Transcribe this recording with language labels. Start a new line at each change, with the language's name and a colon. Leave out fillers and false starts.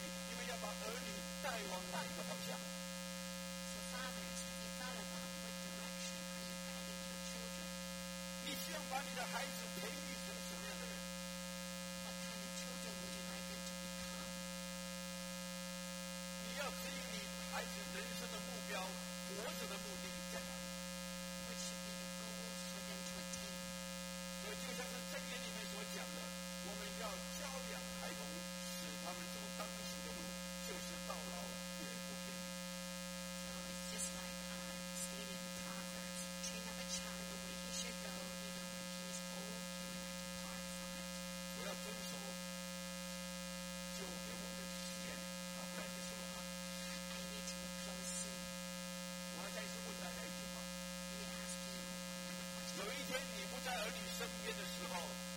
Chinese: 有没有想过，通过你们对儿女的教育，你们要把儿女带往哪一个方向？
English: So fathers, have you thought about what direction are you guiding your children?
Chinese: 你希望把你的孩子培育成什么样的人？
English: What kind of children would you like them to become?
Chinese: 你要指引你孩子人生的目标，活着的目的在哪里？
English: What should be the goals for them to attain?
Chinese: 对，就像是圣经里面所讲的。我们要教养孩童，使他们走当时的路，就是到老也不偏离。
English: So it's just like stating the Proverbs, train up a child the way he should go, even when he is old, he will not depart from it.
Chinese: 我要遵守，就给我们时间，好，不然你说话。
English: I need to close soon.
Chinese: 我要再次问大家一句话。
English: Let me ask you another question.
Chinese: 有一天你不在儿女身边的时候。